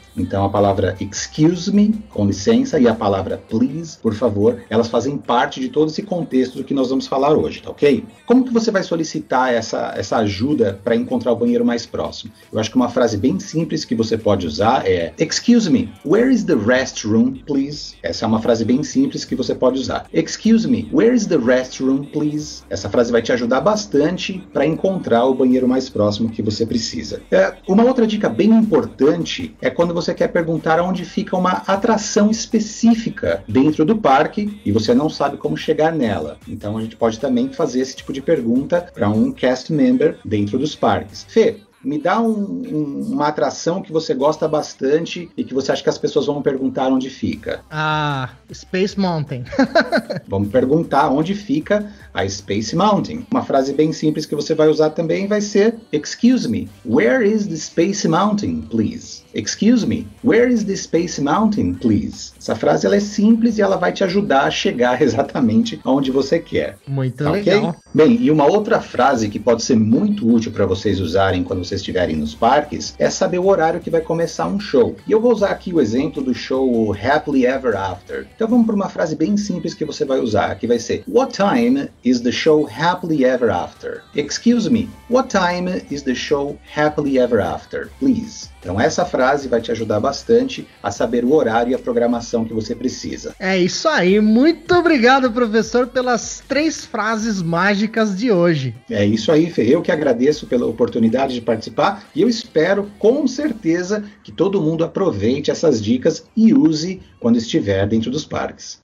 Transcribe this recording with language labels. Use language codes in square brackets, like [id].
[pt] Então, a palavra [en] excuse me, [pt] com licença, e a palavra [en] please, [pt] por favor, elas fazem parte de todo esse contexto do que nós vamos falar hoje, tá ok? Como que você vai solicitar essa ajuda para encontrar o banheiro mais próximo? Eu acho que uma frase bem simples que você pode usar é [en] excuse me, where is the restroom, please? [pt] Essa é uma frase bem simples que você pode usar. [en] Excuse me, where is the restroom, please? [pt] Essa frase vai te ajudar bastante para encontrar o banheiro mais próximo que você precisa. Uma outra dica bem importante é quando você quer perguntar onde fica uma atração específica dentro do parque e você não sabe como chegar nela. Então a gente pode também fazer esse tipo de pergunta para um cast member dentro dos parques. Fê, me dá uma atração que você gosta bastante e que você acha que as pessoas vão perguntar onde fica. Ah, Space Mountain. Vamos perguntar onde fica a Space Mountain. Uma frase bem simples que você vai usar também vai ser: [en] Excuse me, where is the Space Mountain, please? Excuse me, where is the Space Mountain, please? [pt] Essa frase ela é simples e ela vai te ajudar a chegar exatamente onde você quer. Muito tá legal. Okay? Bem, e uma outra frase que pode ser muito útil para vocês usarem quando vocês estiverem nos parques é saber o horário que vai começar um show. E eu vou usar aqui o exemplo do show Happily Ever After. Então vamos para uma frase bem simples que você vai usar, que vai ser: [en] What time is the show Happily Ever After? Excuse me, what time is the show Happily Ever After, please? [pt] Então essa frase vai te ajudar bastante a saber o horário e a programação que você precisa. É isso aí, muito obrigado, professor, pelas três frases mágicas de hoje. É isso aí, Fê, eu que agradeço pela oportunidade de participar e eu espero com certeza que todo mundo aproveite essas dicas e use quando estiver dentro dos parques.